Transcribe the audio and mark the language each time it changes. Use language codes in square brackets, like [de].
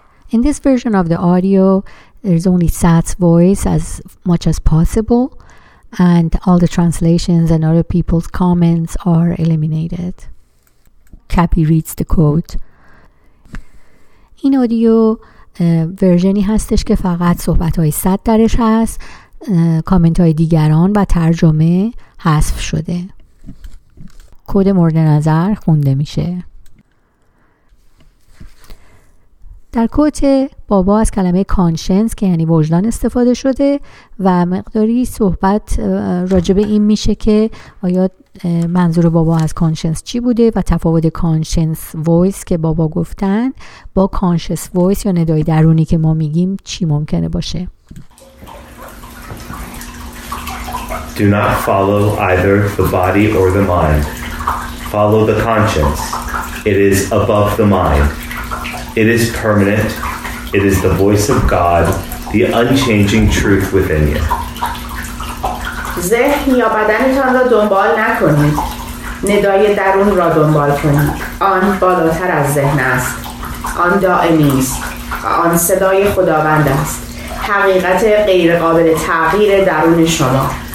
[en] In this version of the audio, there's only Sat's voice as much as possible, and all the translations and other people's comments are eliminated. Cappy reads the quote. [fa] این اودیو ورژنی هستش که فقط صحبت‌های صد درش هست، کامنت‌های دیگران و ترجمه حذف شده. کد مورد نظر خونده میشه. در کوت بابا از کلمه کانشنس که یعنی وجدان استفاده شده و مقداری صحبت راجب این میشه که آیا منظور بابا از کانشنس چی بوده و تفاوت کانشنس وایس که بابا گفتن با کانشنس وایس یا ندای درونی که ما میگیم چی ممکنه باشه. [en] Do not follow either the body or the mind. Follow the conscience. It is above the mind. It is permanent. It is the voice of God, the unchanging truth within you. [fa] ذهن یا بدنتان را دنبال نکنید. ندای درون را دنبال کنید. آن بالاتر از ذهن است. آن دائمی است. آن صدای خداوند است. حقیقت غیر قابل تغییر درون شما.